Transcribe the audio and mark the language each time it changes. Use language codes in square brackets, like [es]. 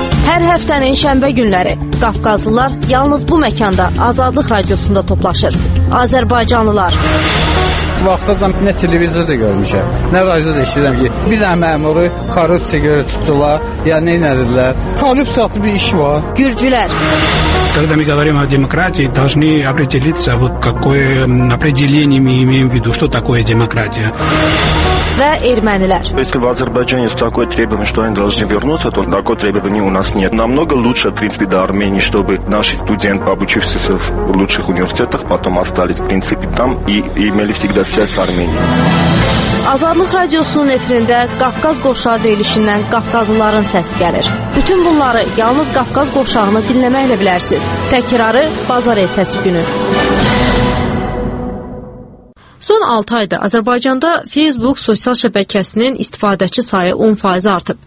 [az] Hər həftənin şənbə günləri Qafqazlılar yalnız bu məkanda Azadlıq Radiosunda toplaşır. Azərbaycanlılar... Vaxtacam nə televizorda görmüşəm, nə radioda işləyirəm ki, bir dənə məmuru korrupsiya görə tutdular, ya nə edirlər? Korrupsiya bir iş var. Gürcülər. [ru] Когда мы говорим о демократии, должны определиться, вот какое определение мы имеем в виду, что такое демократия. [az] Və ermənilər. [ru] Если в Азербайджане есть такое требование, что они должны вернуться, то такое требование у нас нет. Намного лучше, в принципе, до Армении, чтобы наши студенты, обучившиеся в лучших университетах, потом остались, в принципе, там и имели всегда связь с Арменией. [az] Azadlıq Radiosunun efirində Qafqaz Qovşağı deyilişindən Qafqazlıların səsi gəlir. Bütün bunları yalnız Qafqaz Qovşağını dinləməklə bilərsiniz. Təkrarı bazar ertəsi günü. Son 6 ayda Azərbaycanda Facebook sosial şəbəkəsinin istifadəçi sayı 10% artıb.